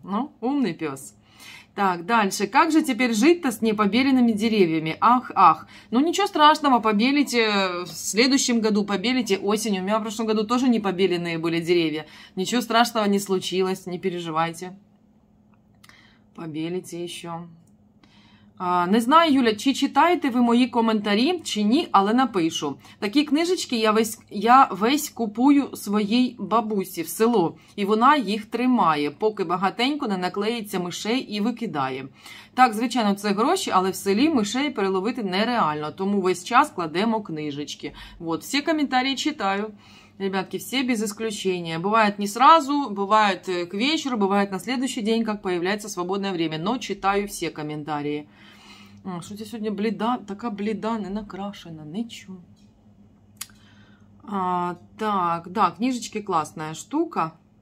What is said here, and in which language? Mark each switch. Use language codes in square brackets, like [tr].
[ru] Ну, умный пес. Так, дальше. Как же теперь жить-то с непобеленными деревьями? Ах, ах. Ну, ничего страшного, побелите в следующем году, побелите осенью. У меня в прошлом году тоже непобеленные были деревья. Ничего страшного не случилось, не переживайте. Побелите еще. [uk] Не знаю, Юля, чи читаєте ви мої коментарі, чи ні, але напишу. Такі книжечки я весь купую своїй бабусі в село, і вона їх тримає, поки багатенько не наклеїться мишей і викидає. Так, звичайно, це гроші, але в селі мишей переловити нереально, тому весь час кладемо книжечки. От, всі коментарі читаю. [ru] Ребятки, все без исключения. Бывает не сразу, бывает к вечеру, бывает на следующий день, как появляется свободное время. Но читаю все комментарии. Что у тебя сегодня бледа? Такая бледа, не накрашена, ничего. Так, да, книжечки классная штука.